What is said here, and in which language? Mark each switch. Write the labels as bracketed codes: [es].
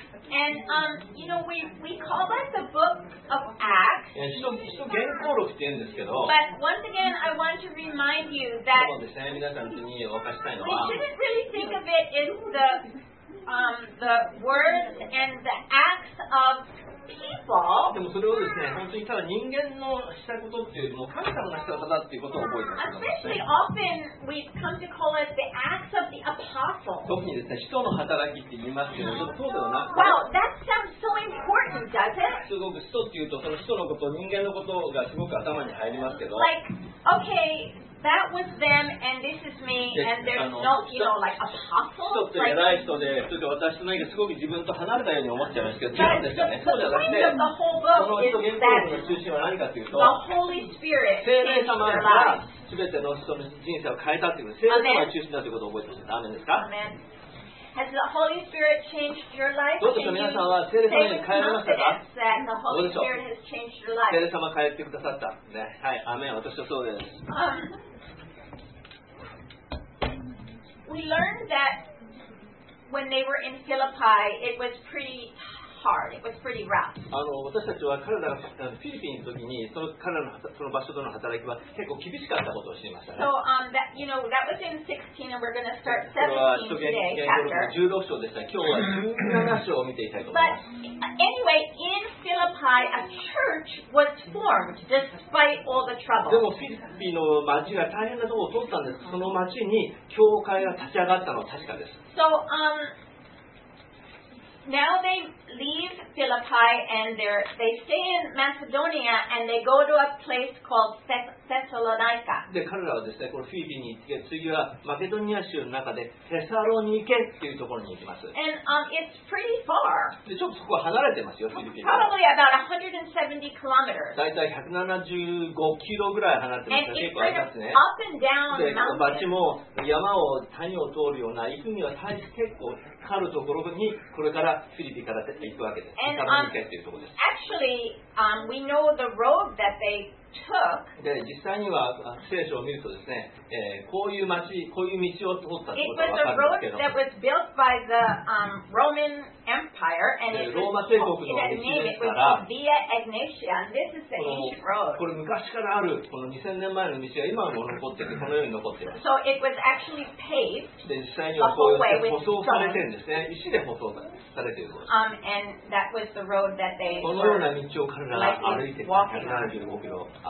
[en] And you know, we call that the book of Acts. But once again, I want to remind you that we shouldn't really think of it as the words and the acts of people. [ja] でもそれをですね、本当にただ人間のしたことっていうよりも神様がしたことだっていうことを覚えてます。 [en] Especially often we've come to call it the acts of the apostles. [ja] 特にですね、使徒の働きって言いますけど、そうではな [en] く。Wow, that sounds so important, doesn't it? [ja] すごく使徒っていうと、その使徒のこと、人間のことがすごく頭に入りますけど。 [en] Like, okay. That was them, and this is me, and there's no, you know, like apostles. [ja] ちょっと偉い人で、ちょっと私の何かすごく自分と離れたように思っちゃいますけど、違うんですかね。そうじゃなくて、この人原稿の中心は何かというと、 [en] the Holy Spirit [ja] 聖霊様が全ての人の人生を変えたという、聖霊様が中心だということを覚えてください。アーメンですか？ [en] アーメン。Has the Holy Spirit changed your life? [ja] どうでしょう、皆さんは聖霊様に変えられましたか？どうでしょう、聖霊様変えてくださった。ね、はい、アーメン、私はそうです。 [en] We learned that when they were in Philippi, it was pretty hard. It was pretty rough. [ja] 私たちは彼らがフィリピンの時にその彼らのその場所での働きは結構厳しかったことを知りましたね。 [en] So that you know that was in 16, and we're going to start 17 today. Chapter 16. [ja] 今日は17章を見ていきたいと思います。 [en] But anyway, in Philippi, a church was formed despite all the trouble. [ja] でもフィリピンの町が大変なところを通ったんです。その町に教会が立ち上がったのは確かです。 [en] So now they leave Philippi and they stay in Macedonia and they go to a place called Thessalonica. [ja] で彼らはですね、このフィリピンに行って、次はマケドニア州の中でテサロニケっていうところに行きます。 [en] And it's pretty far. [ja] でちょっとそこは離れてますよ、フィリピン。 [en] Probably about 170 kilometers. [ja] だいたい175キロぐらい離れてますね。結構ありますね。 [en] Up and down [ja] で、この町も山を谷を通るような行くには大変結構。あるところにこれからフィリピンから行くわけです。 [en] And, [ja] サロニケっていうところです。 [en] Actually, we know the road that they took. [ja] で実際には聖書を見るとですね、こういう町、こういう道を通ったことがわかるんですけど。 [en] It was a road that was built by the Roman Empire, and it [ja] ローマ帝国の道ですから。 [en] Via Egnatia, and this is the ancient road. [ja] これ昔からあるこの2000年前の道が今も残っていて、このように残っています。 [en] So it was actually paved. [ja] で実際にはこういう舗装されてるんですね。石で舗装されているんです。 [en] And that was the road that they were walking. [ja] このような道を彼らが歩いて175キロ。